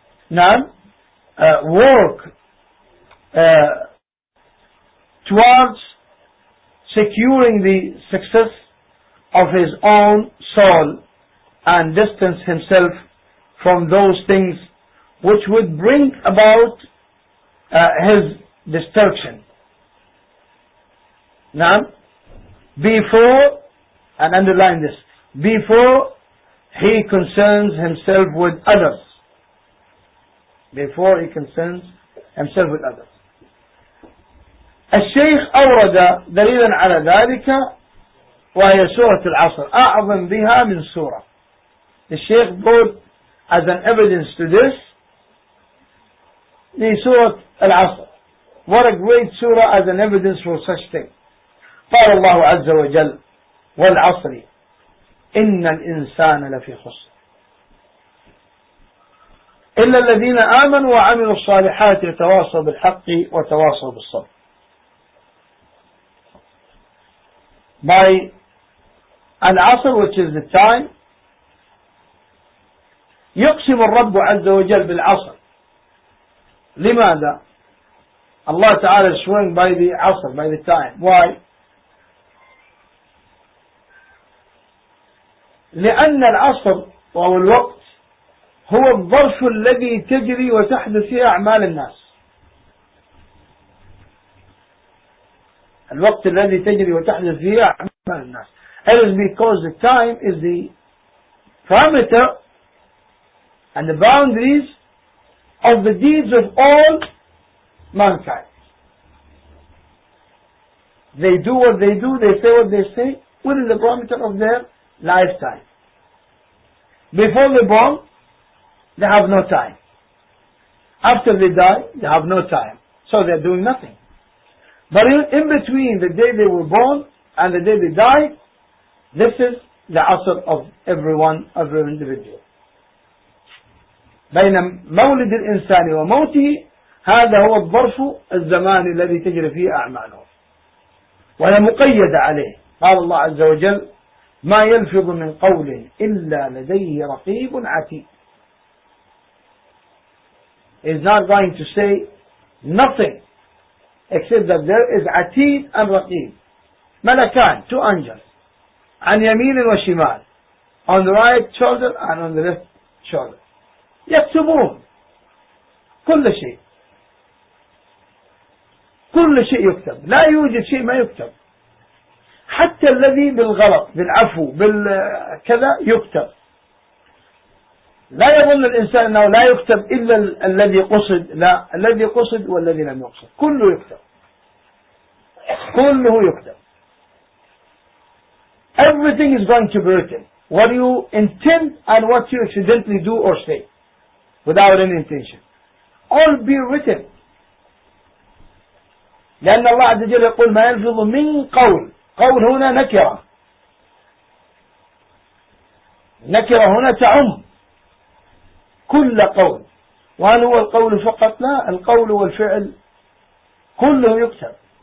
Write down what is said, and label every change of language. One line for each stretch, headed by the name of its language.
English: Now, work towards securing the success of his own soul and distance himself from those things which would bring about his destruction. Now, before, and underline this, before he concerns himself with others. Before he concerns himself with others.
Arabic: الشيخ أورد دليلا على ذلك وهي سورة العصر أعظم بها من سورة.
English: The Shaykh brought as an evidence to this the Surah Al-Asr. What a great surah as an evidence for such thing.
Arabic: قال الله عز وجل والعصر إن الإنسان لفي خسر إلا الذين آمنوا وعملوا الصالحات يتواصوا بالحق وتواصوا بالصبر.
English: By
Arabic: العصر,
English: which is the time,
Arabic: يقسم الرب عز وجل بالعصر. لماذا الله تعالى
English: swearing by the عصر, by the time? Why?
Arabic: لأن العصر أو الوقت هو الظرف الذي تجري وتحدث فيه أعمال الناس. الوقت الذي تجري وتحدث فيه أعمال الناس.
English: It is because the time is the parameter and the boundaries of the deeds of all mankind. They do what they do, they say what they say, within the parameter of their lifetime. Before they born, they have no time. After they die, they have no time. So they are doing nothing. But in between the day they were born and the day they die, this is the asr of everyone, every individual.
Arabic: بين مولد الإنسان وموته هذا هو الظرف الزمان الذي تجري فيه أعماله ولا مقيد عليه. قال الله عز وجل ما يلفظ من قول إلا لديه رقيب عتيد.
English: Is not going to say nothing except that there is عتيد and رقيب.
Arabic: ملكان,
English: two angels,
Arabic: عن يمين وشمال,
English: on the right shoulder and on the left shoulder.
Arabic: يكتبون كل شيء, كل شيء يكتب, لا يوجد شيء ما يكتب, حتى الذي بالغلط بالعفو بالكذا يكتب. لا يظن الإنسان أنه لا يكتب إلا الذي قصد, لا, الذي قصد والذي لم يقصد كله يكتب, كله يكتب.
English: Everything is going to be written, what you intend and what you accidentally do or say without any intention. All be written.
Arabic: لأن الله عز وجل يقول ما يلفظ من قول. قول هنا نكرة. نكرة هنا تعم كل قول. وهل هو القول فقط؟ لا, القول والفعل كله يكتب.